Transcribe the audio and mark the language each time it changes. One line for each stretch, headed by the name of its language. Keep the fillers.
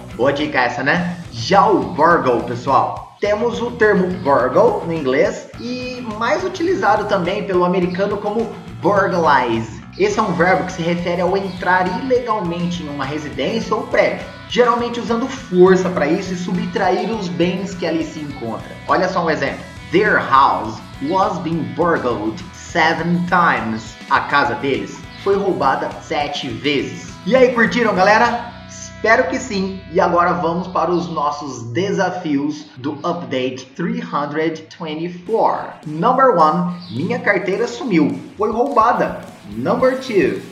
Portuguese: Boa dica essa, né? Já o burgle, pessoal, temos o termo burgle no inglês e mais utilizado também pelo americano como burglarize. Esse é um verbo que se refere ao entrar ilegalmente em uma residência ou prédio, geralmente usando força para isso e subtrair os bens que ali se encontram. Olha só um exemplo:
English: Their house was being burgled seven times.
Portuguese: A casa deles foi roubada sete vezes. E aí, curtiram, galera? Espero que sim! E agora vamos para os nossos desafios do Update 324.
English: Number 1.
Portuguese: Minha carteira sumiu. Foi roubada.
English: Number 2.